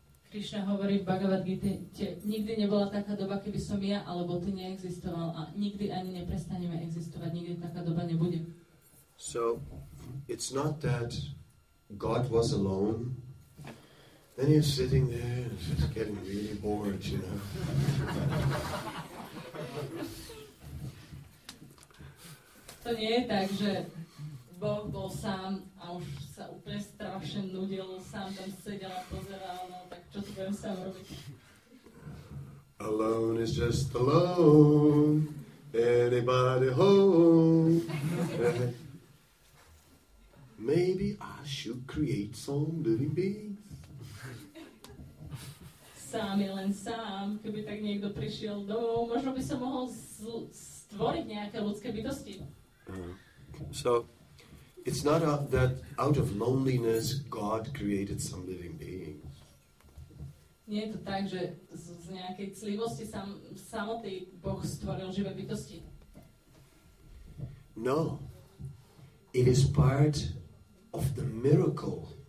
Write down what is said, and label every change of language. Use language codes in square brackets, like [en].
[sk] Krishna hovorí v Bhagavad Gita, nikdy nebola taká doba, keby som ja alebo ty neexistoval, a nikdy ani neprestaneme existovať, nikdy taká doba nebude. [en] So it's not that God was alone. Then he's sitting there and just getting really bored, you know. [sk] To nie je tak, že Boh bol sám a už sa úplne strašne nudil, sám tam sedel a pozeral, no tak čo tu budem sám robiť? [en] Alone is just alone, anybody home. Maybe I should create some living beings. [sk] Sám je len sám, keby tak niekto prišiel domov, možno by som mohol stvoriť nejaké ľudské bytosti. [en] So, it's not that out of loneliness God created some living beings. [sk] Nie je to tak, že z nejakej clivosti samotný Boh stvoril živé bytosti. [en] No, it is part of the miracle.